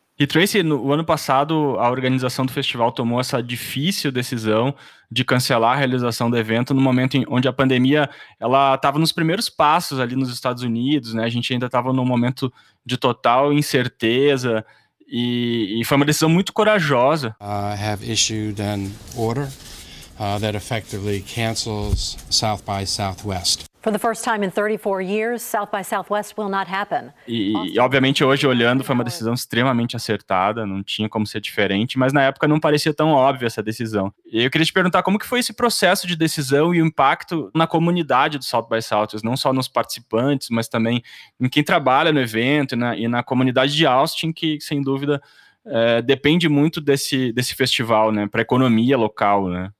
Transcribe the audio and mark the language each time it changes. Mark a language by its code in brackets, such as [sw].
[pt] E Tracy, no ano passado, a organização do festival tomou essa difícil decisão de cancelar a realização do evento no momento em onde a pandemia ela estava nos primeiros passos ali nos Estados Unidos, né? A gente ainda estava num momento de total incerteza. E foi uma decisão muito corajosa. [en] Have issued an order that effectively cancels South by Southwest. For the first time in 34 years, South by Southwest will not happen. [pt] E obviamente hoje olhando foi uma decisão extremamente acertada, não tinha como ser diferente, mas na época não parecia tão óbvia essa decisão. E eu queria te perguntar como que foi esse processo de decisão e o impacto na comunidade do South by Southwest, não só nos participantes, mas também em quem trabalha no evento e na comunidade de Austin, que sem dúvida depende muito desse festival, né, para a economia local, né?